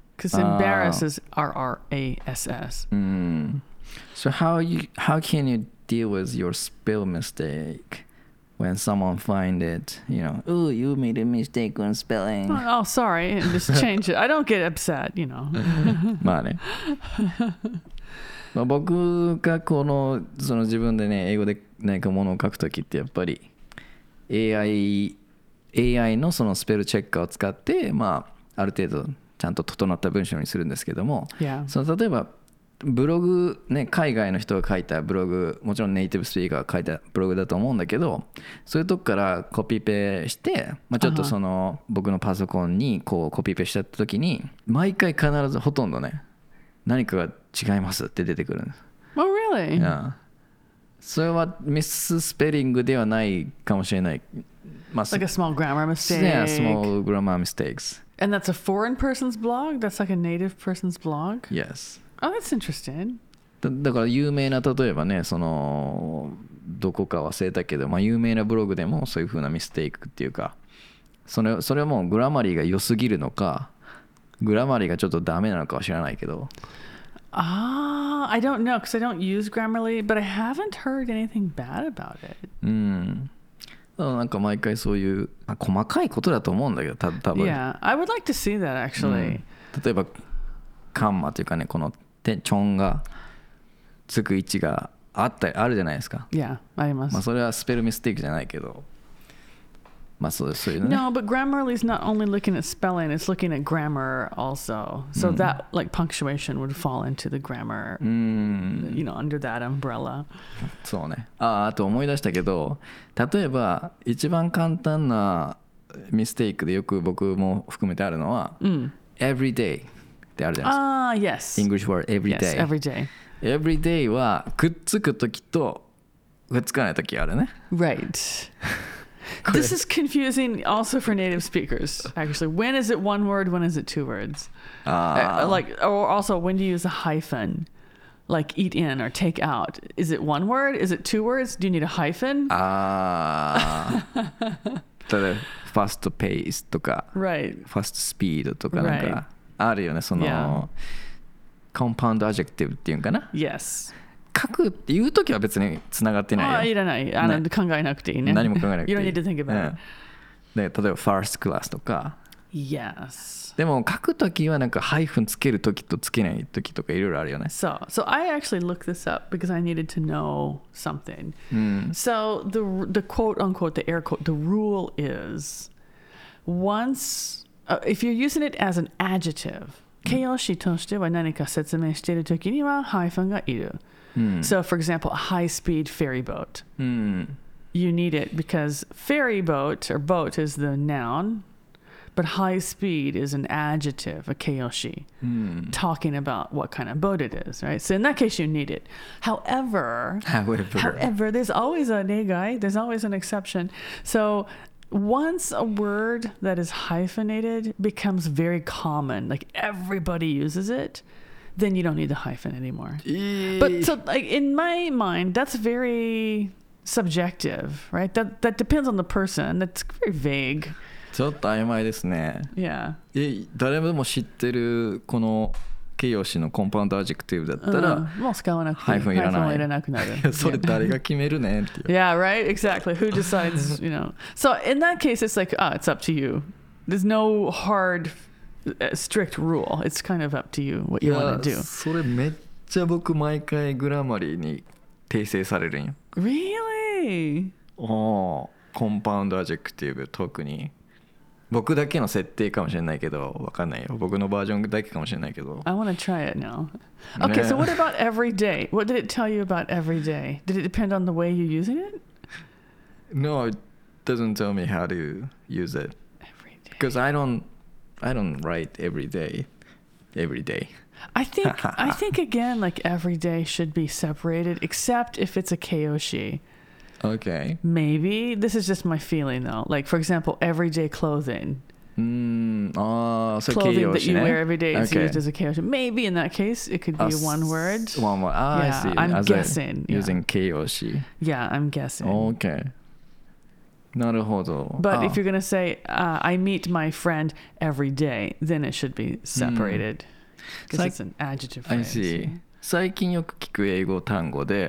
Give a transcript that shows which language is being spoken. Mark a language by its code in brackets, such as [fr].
[en] Because embarrass is R-R-A-S-S. So how can you deal with your spell mistake? When someone find it, you know, oh, you made a mistake on spelling. Oh, sorry. Just change it. I don't get upset, you know. [ja] まあね。まあ僕がこの、その自分でね、英語で何かものを書くときってやっぱり AI のそのスペルチェッカーを使って、まあある程度ちゃんと整った文章にするんですけども、 [en] yeah. [ja] その例えばブログね、海外の人が書いたブログ、もちろんネイティブスピーカーが書いたブログだと思うんだけど、そういうとこからコピペして、まあ、ちょっとその僕のパソコンにこうコピペしちゃった時に、毎回必ずほとんどね、何かが違いますって出てくるんです [en] 。 Oh, really? Yeah. [ja] それはミススペリングではないかもしれない。 [en] まあ、like a small grammar mistake. Yeah, small grammar mistakes. And that's a foreign person's blog? That's like a native person's blog? Yes. Oh, that's interesting. [ja] だから有名な例えばね、そのどこか忘れたけど、まあ、有名なブログでもそういうふうなミステイクっていうか、それはもうグラマリーが良すぎるのか、グラマリーがちょっとダメなのかは知らないけど。 [en] I don't know because I don't use Grammarly, but I haven't heard anything bad about it. [ja] なんか毎回そういう、まあ、細かいことだと思うんだけど、多分。 [en] Yeah, I would like to see that actually.、 [ja] うん、例えば。カンマというかね、このチョンがつく位置があったりあるじゃないですか。いや、あります。まあそれはスペルミステイクじゃないけど、まあそういうの [en] ね。No, but Grammarly is not only looking at spelling, it's looking at grammar also. So、うん、that like punctuation would fall into the grammar,、you know, under that umbrella. [ja] そうね。ああと思い出したけど、例えば一番簡単なミステイクでよく僕も含めてあるのは、うん、 [en] every day。 Yes. English word every day. Yes, every day. [ja] Every day はくっつくときとくっつかないときあるね。 [en] Right. This is confusing also for native speakers. Actually, when is it one word? When is it two words? Like, or also, when do you use a hyphen? Like, eat in or take out. Is it one word? Is it two words? Do you need a hyphen? [ja] ただ、 [en] fast pace [ja] とか、 [en] right. fast speed [ja] とかなんか。Right. あるよね、その、yeah. コンパウンドアジェクティブっていうんかな。 [en] Yes. [ja] 書くって言うときは別につながってないよ。いらない、ね。考えなくていいね。何も考えなくていい。 [en] You don't need to think about it. [ja] で、例えば、ファーストクラスとか。 [en] Yes. [ja] でも、書くときはなんか、ハイフンつけるときとつけないときとかいろいろあるよね。 [en] So, so I actually looked this up because I needed to know something.、 [ja] うん、 [en] so, the quote unquote, the air quote, the rule is once... If you're using it as an adjective,、mm. [ja] 形容詞としては何か説明しているときにはハイフンがいる。 Mm. [en] So, for example, a high-speed ferry boat.、 Mm. You need it because ferry boat or boat is the noun, but high speed is an adjective, a 形容詞、 mm. talking about what kind of boat it is, right? So in that case, you need it. However, there's always a negai, there's always an exception. So... Once a word that is hyphenated becomes very common, like everybody uses it, then you don't need the hyphen anymore. But so, like, in my mind, that's very subjective, right? That depends on the person. That's very vague. [ja] ちょっと曖昧ですね。 [en] Yeah. [ja] 誰でも知ってるこの形容詞のコンパウンドアジェクティブだったら、もう使わなくて、ハイフンいらない、ハイフンはいらなくなる。それ誰が決めるねっていう。 [en] Yeah, right? Exactly. Who decides, you know? So in that case, it's like, it's up to you. There's no hard, strict rule. It's kind of up to you what you want to do. [ja] それめっちゃ僕毎回グラマリーに訂正されるんよ。 [en] Really? [ja] Oh, コンパウンドアジェクティブ特に。僕だけの設定かもしれないけど、わかんないよ。僕のバージョンだけかもしれないけど。 [en] I want to try it now. Okay, so what about every day? What did it tell you about every day? Did it depend on the way you're using it? No, it doesn't tell me how to use it. Every day. Because I don't write every day. Every day. I think again, like every day should be separated, except if it's a kayoshi. Okay. Maybe. This is just my feeling, though. Like, for example, everyday clothing. Mm, So clothing that you wear every day is okay. used as a 形容詞.Maybe in that case, it could be one word. One word. Yeah, I see. I'm as guessing. Yeah. Using 形容詞. Yeah, I'm guessing. [ja] Okay. なるほど。 [en] But if you're going to say, I meet my friend every day, then it should be separated. Because it's an adjective phrase. I see. [ja] 最近よく聞く英語単語で、